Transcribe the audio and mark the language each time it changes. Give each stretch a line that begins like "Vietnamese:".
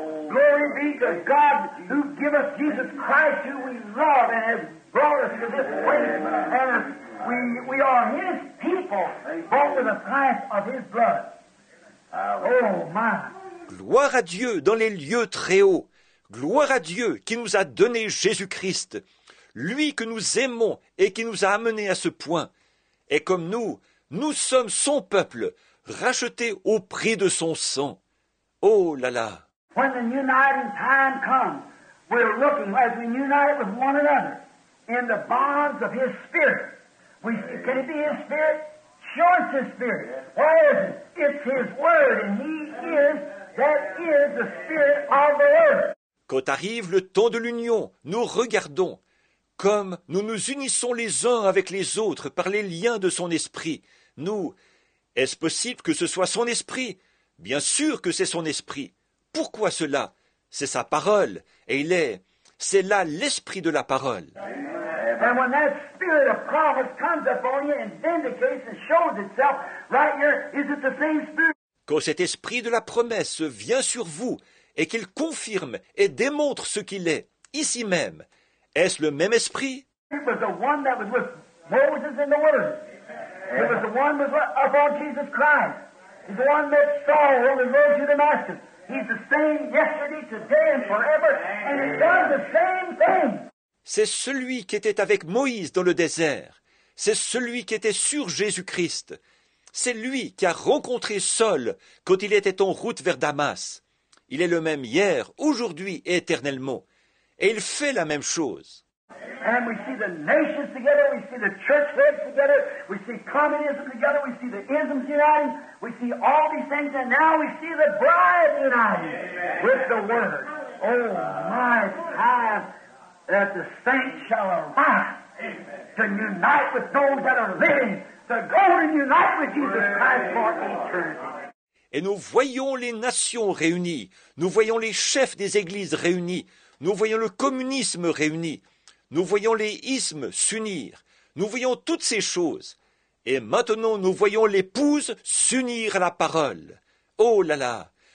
English: Glory be to God who give us Jesus Christ who we love and has brought us to this place. And we are His people, bought with the price of His blood. Oh, my.
French: Gloire à Dieu dans les lieux très hauts. Gloire à Dieu qui nous a donné Jésus-Christ. Lui que nous aimons et qui nous a amenés à ce point. Et comme nous, nous sommes son peuple, racheté au prix de son sang. Oh là là!
English: When the uniting time comes, we're looking as we unite with one another in the bonds of His Spirit. Can it be His Spirit? Sure, it's His Spirit. What is it? It's His Word, and He is, that is the Spirit of the Word.
French: Quand arrive le temps de l'union, nous regardons comme nous nous unissons les uns avec les autres par les liens de son esprit. Nous, est-ce possible que ce soit son esprit? Bien sûr que c'est son esprit. Pourquoi cela? C'est sa parole, et il est, c'est là l'esprit de la parole.
English: And when that spirit of promise comes upon you and vindicates and shows itself right here, is it the same spirit?
French: Quand cet esprit de la promesse vient sur vous et qu'il confirme et démontre ce qu'il est, ici même, est-ce le même esprit?
English: It was the one that was with Moses in the wilderness. It was the one that was upon Jesus Christ. He's the one that saw on the road to Damascus. He's the same yesterday, today, and forever, and he does the same thing.
French: C'est celui qui était avec Moïse dans le désert. C'est celui qui était sur Jésus-Christ. C'est lui qui a rencontré Saul quand il était en route vers Damas. Il est le même hier, aujourd'hui et éternellement. Et il fait la même chose.
English: And we see the nations together, we see the church heads together, we see communism together, we see the isms united, we see all these things, and now we see the bride united with the Word. Oh, my time, that the saints shall arise to unite with those that are living, to go and unite with Jesus Christ for eternity.
French: Et nous voyons les nations réunies, nous voyons les chefs des églises réunis. Nous voyons le communisme réuni. Nous voyons les ismes s'unir. Nous voyons toutes ces choses. Et maintenant, nous voyons l'épouse s'unir à la parole. Oh là là,